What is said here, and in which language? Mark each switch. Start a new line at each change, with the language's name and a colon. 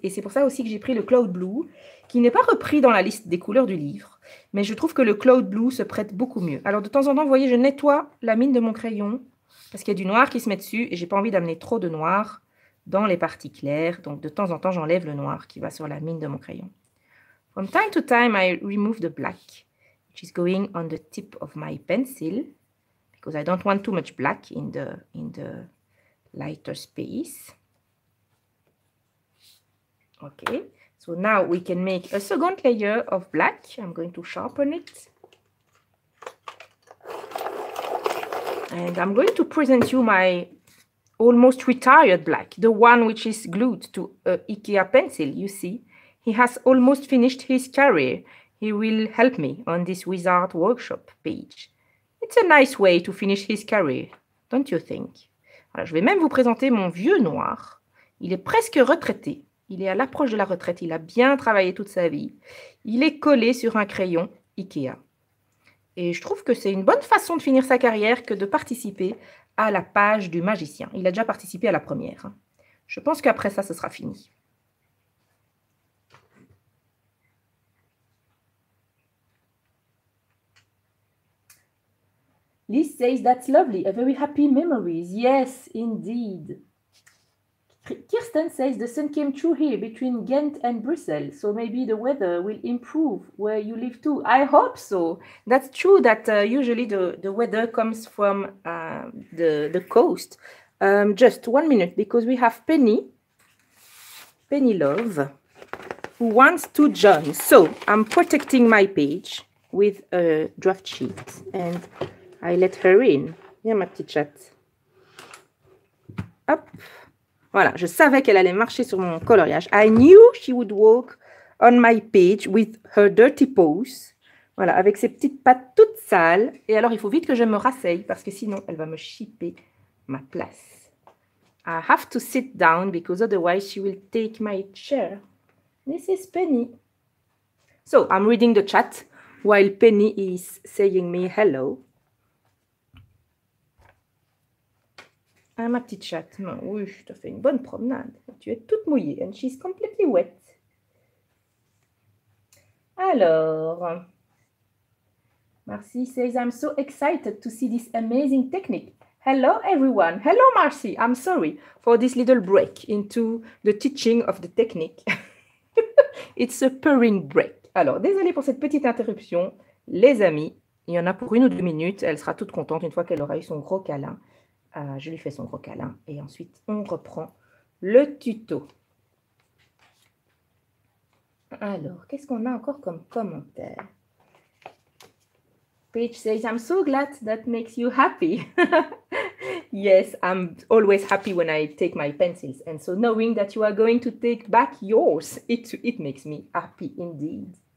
French: Et c'est pour ça aussi que j'ai pris le cloud blue, qui n'est pas repris dans la liste des couleurs du livre. Mais je trouve que le cloud blue se prête beaucoup mieux. Alors, de temps en temps, vous voyez, je nettoie la mine de mon crayon parce qu'il y a du noir qui se met dessus et je n'ai pas envie d'amener trop de noir dans les parties claires. Donc, de temps en temps, j'enlève le noir qui va sur la mine de mon crayon.
English: From time to time, I remove the black, which is going on the tip of my pencil, because I don't want too much black in the lighter space. Okay, so now we can make a second layer of black. I'm going to sharpen it. And I'm going to present you my almost retired black, the one which is glued to an IKEA pencil, you see. He has almost finished his career. He will help me on this wizard workshop page. It's a nice way to finish his career, don't you think?
French: Alors, je vais même vous présenter mon vieux noir. Il est presque retraité. Il est à l'approche de la retraite. Il a bien travaillé toute sa vie. Il est collé sur un crayon IKEA. Et je trouve que c'est une bonne façon de finir sa carrière que de participer à la page du magicien. Il a déjà participé à la première. Je pense qu'après ça, ce sera fini.
English: Liz says that's lovely, a very happy memories. Yes, indeed. Kirsten says the sun came true here between Ghent and Brussels, so maybe the weather will improve where you live too. I hope so. That's true that usually the weather comes from the coast. Just 1 minute, because we have Penny Love, who wants to join. So I'm protecting my page with a draft sheet and I let her in.
French: Viens, ma petite chatte. Hop. Voilà, je savais qu'elle allait marcher sur mon coloriage.
English: I knew she would walk on my page with her dirty paws.
French: Voilà, avec ses petites pattes toutes sales. Et alors, il faut vite que je me rasseye parce que sinon, elle va me chipper ma place.
English: I have to sit down because otherwise she will take my chair. This is Penny. So, I'm reading the chat while Penny is saying me hello.
French: Ah, ma petite chatte, non, oui, tu as fait une bonne promenade. Tu es toute mouillée
English: and she's completely wet. Alors, Marcy says, I'm so excited to see this amazing technique. Hello, everyone. Hello, Marcy. I'm sorry for this little break into the teaching of the technique. It's a purring break.
French: Alors, désolée pour cette petite interruption. Les amis, il y en a pour une ou deux minutes. Elle sera toute contente une fois qu'elle aura eu son gros câlin. Je lui fais son gros câlin et ensuite on reprend le tuto. Alors, qu'est-ce qu'on a encore comme commentaire?
English: Paige says, I'm so glad that makes you happy. Yes, I'm always happy when I take my pencils. And so knowing that you are going to take back yours, it makes me happy indeed.